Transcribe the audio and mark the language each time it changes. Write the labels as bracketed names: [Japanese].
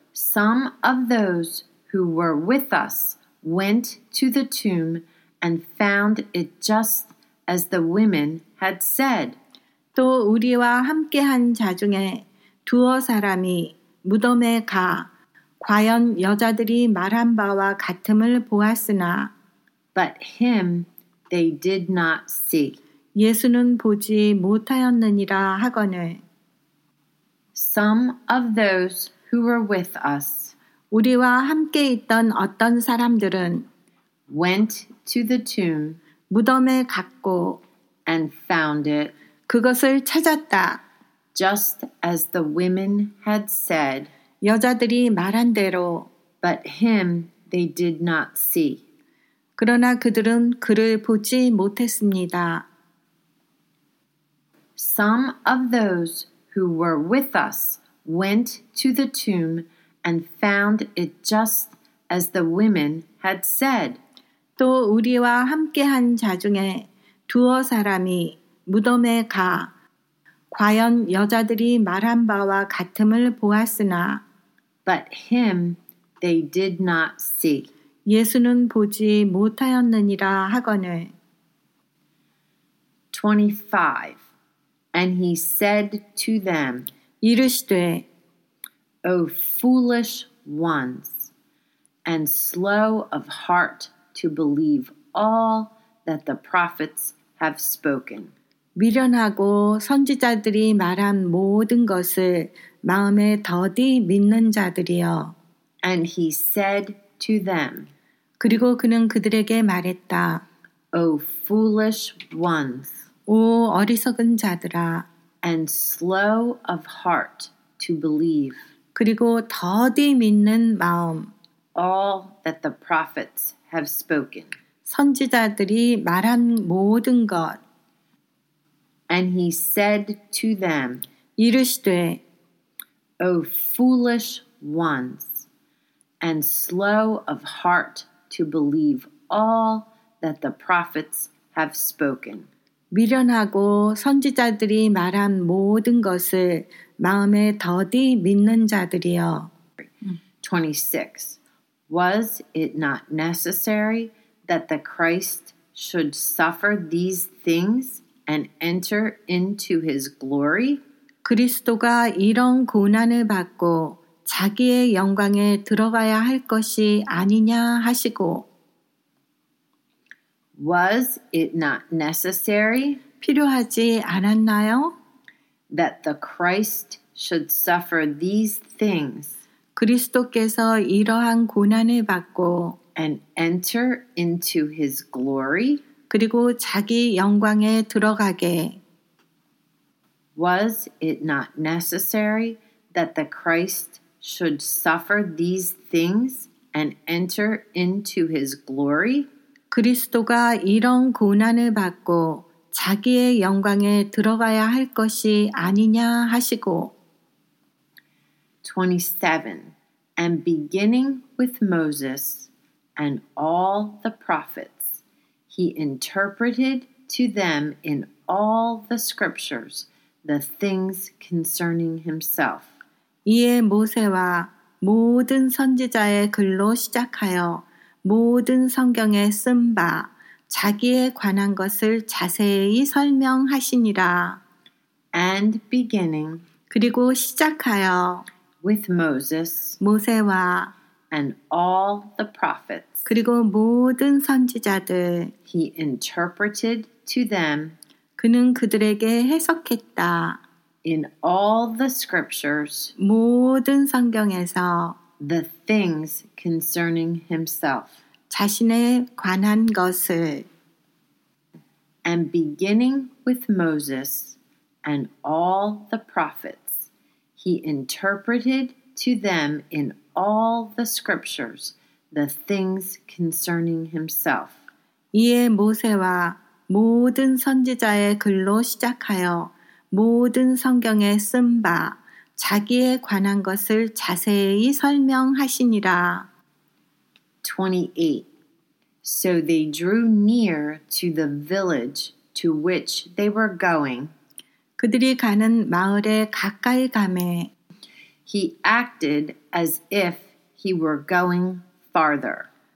[English] Some of those who were with us went to the tomb and found it just as the women had said. [Korean] 또 우리와 함께한 자 중에 두어 사람이 무덤에 가 과연 여자들이 말한 바와 같음을 보았으나 [English] But him they did not see. [Korean] 예수는 보지 못하였느니라 하거늘 [English] Some of those who were with us [Korean] 우리와 함께 있던 어떤 사람들은 [English] went to the tomb [Korean] 무덤에 갔고 [English] and found it [Korean] 그것을 찾았다 [English] just as the women had said [Korean] 여자들이 말한 대로 [English] but him they did not see [Korean] 그러나 그들은 그를 보지 못했습니다. [English] Some of those who were with us went to the tomb and found it just as the women had said. [Korean] 또 우리와 함께한 자 중에 두어 사람이 무덤에 가 과연 여자들이 말한 바와 같음을 보았으나 [English] But him they did not see. [Korean] 예수는 보지 못하였느니라 하거늘 [English] 25 And he said to them, [Korean] 이르시되, [English] O foolish ones, and slow of heart to believe all that the prophets have spoken. [Korean] 미련하고 선지자들이 말한 모든 것을 마음에 더디 믿는 자들이여. [English] And he said to them, [Korean] 그리고 그는 그들에게 말했다. [English] O foolish ones, [Korean] 오 어리석은 자들아. [English] And slow of heart to believe. [Korean] 그리고 더디 믿는 마음. [English] All that the prophets have spoken. [Korean] 선지자들이 말한 모든 것. [English] And he said to them. [Korean] 이르시되. [English] O foolish ones. And slow of heart to believe all that the prophets have spoken. [Korean] 미련하고 선지자들이 말한 모든 것을 마음에 더디 믿는 자들이여. [English] 26. Was it not necessary that the Christ should suffer these things and enter into his glory? [Korean] 그리스도가 이런 고난을 받고 자기의 영광에 들어가야 할 것이 아니냐 하시고 [English] Was it not necessary [Korean] 필요하지 않았나요? [English] That the Christ should suffer these things [Korean] 그리스도께서 이러한 고난을 받고 [English] And enter into his glory [Korean] 그리고 자기 영광에 들어가게 [English] Was it not necessary that the Christ should suffer these things and enter into his glory? [Korean] 그리스도가 이런 고난을 받고 자기의 영광에 들어가야 할 것이 아니냐 하시고 [English] 27. And beginning with Moses and all the prophets, he interpreted to them in all the scriptures the things concerning himself. [Korean] 이에 모세와 모든 선지자의 글로 시작하여 모든 성경에 쓴 바 자기에 관한 것을 자세히 설명하시니라. [English] And beginning [Korean] 그리고 시작하여 [English] with Moses [Korean] 모세와 [English] and all the prophets [Korean] 그리고 모든 선지자들 [English] he interpreted to them [Korean] 그는 그들에게 해석했다. [English] In all the scriptures, [Korean] 모든 성경에서 [English] the things concerning himself, [Korean] 자신에 관한 것을 [English] and beginning with Moses and all the prophets, he interpreted to them in all the scriptures the things concerning himself. [Korean] 이에 모세와 모든 선지자의 글로 시작하여 모든 성경에 쓴 바 자기에 관한 것을 자세히 설명하시니라. [English] 28. So they drew near to the village to which they were going. [Korean] 그들이 가는 마을에 가까이 가매 [English] He acted as if he were going farther.